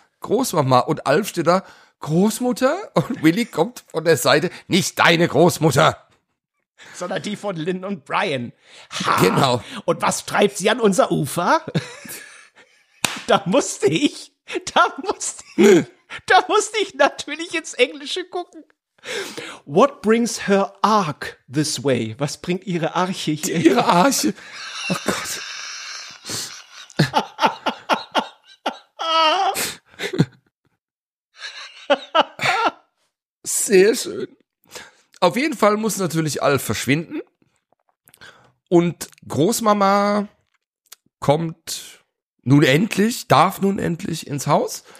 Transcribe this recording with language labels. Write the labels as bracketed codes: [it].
[de] Großmama und Alf steht da. Großmutter? Und Willi kommt von der Seite. Nicht deine Großmutter. Sondern die von Lynn und Brian. Ha. Genau. Und was treibt sie an unser Ufer? Da musste ich natürlich ins Englische gucken. [en] What brings her ark this way? [de] Was bringt ihre Arche hier? Ihre Arche. Oh Gott. Sehr schön. Auf jeden Fall muss natürlich Alf verschwinden. Und Großmama kommt darf nun endlich ins Haus.